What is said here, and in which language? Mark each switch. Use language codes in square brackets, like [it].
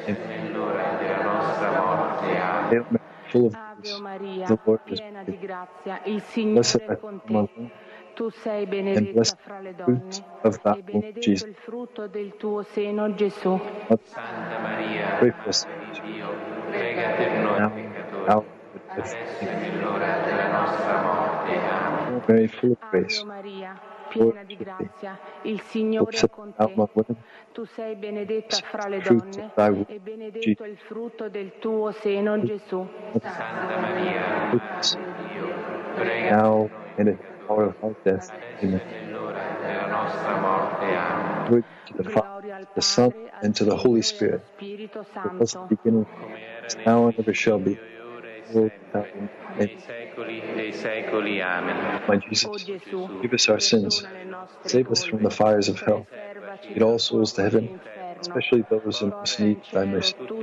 [en] Hail Mary, full of grace, the Lord is with thee. Blessed art thou among women, and blessed is the fruit of thy womb, Jesus. [it] Santa Maria, Madre di Dio, prega per noi peccatori, adesso e nell'ora della nostra morte. Amen. Ave Maria, piena di grazia, il Signore è con te. Tu sei benedetta fra le donne e benedetto il frutto del tuo seno, Gesù. Santa Maria, prega per noi peccatori, adesso e nell'ora della nostra morte. Amen. [en] The Father, the Son, and to the Holy Spirit, as was the beginning, is now and ever shall be, world without end. Amen. My Jesus, forgive us our sins, save us from the fires of hell, lead all souls to heaven, especially those in most need of thy mercy.